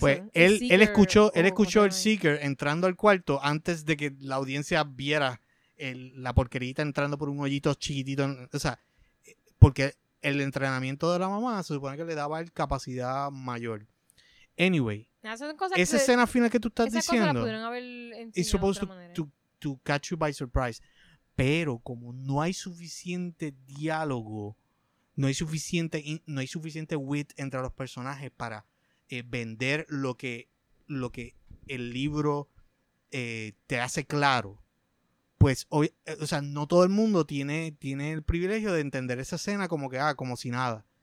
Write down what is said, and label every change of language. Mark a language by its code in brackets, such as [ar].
[es] Pues él escuchó el Seeker entrando al cuarto antes de que la audiencia viera la porquerita entrando por un hoyito chiquitito. O sea, porque el entrenamiento de la mamá se supone que le daba el capacidad mayor. Anyway, esa escena final que tú estás diciendo, [en] it's supposed to catch you by surprise. [es] Pero como no hay suficiente diálogo, no hay suficiente wit entre los personajes para vender lo que el libro te hace claro, pues hoy, o sea, no todo el mundo tiene el privilegio de entender esa escena como que, ah, como si nada.